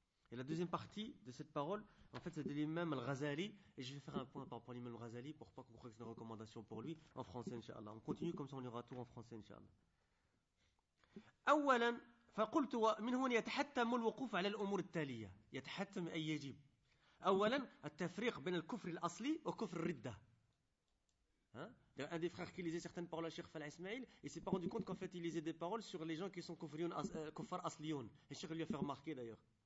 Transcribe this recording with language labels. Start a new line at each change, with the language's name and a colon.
French: Et la deuxième partie de cette parole, en fait, c'est de l'imam al-Ghazali. Et je vais faire un point par rapport à l'imam al-Ghazali pour pas qu'on croie que c'est une recommandation pour lui en français, inshallah. On continue comme ça, on ira tout en français, inshallah.
Arabic: أولا فقلت من هنا يتحتم الوقوف على الأمور التالية. يتحتم أي يجب. أولا التفريق بين الكفر الأصلي وكفر الردة.
French: Un des frères qui lisait certaines paroles à Cheikh Falah Ismail, il s'est pas rendu compte qu'en fait, il lisait des paroles sur les gens qui sont kuffar asliyun. Et Cheikh lui a fait remarquer d'ailleurs.